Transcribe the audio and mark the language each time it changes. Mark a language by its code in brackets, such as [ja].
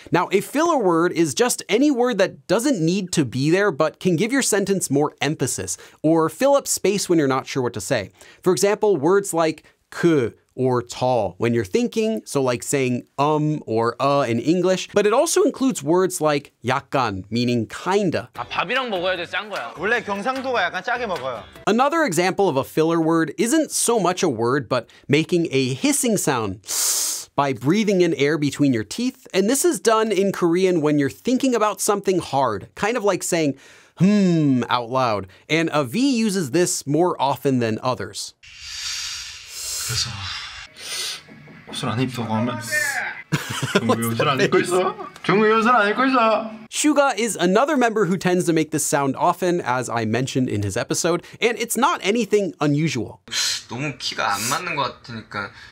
[en] Now, a filler word is just any word that doesn't need to be there but can give your sentence more emphasis or fill up space when you're not sure what to say. For example, words like 그 or 저 when you're thinking, so like saying or in English. But it also includes words like 약간, meaning kinda. [ko] 아, 밥이랑 먹어야 돼, 짠 거야. 원래 경상도가 약간 짜게 먹어요. [en] Another example of a filler word isn't so much a word, but making a hissing sound by breathing in air between your teeth. And this is done in Korean when you're thinking about something hard, kind of like saying out loud. And a V uses this more often than others. [ko] 그래서 옷을 안 입고 가면 경우 옷을 안 입고 있어. [en] 슈가 is another member who tends to make this sound often, as I mentioned in his episode, and it's not anything unusual. [ko] 너무 키가 안 맞는 것 같으니까.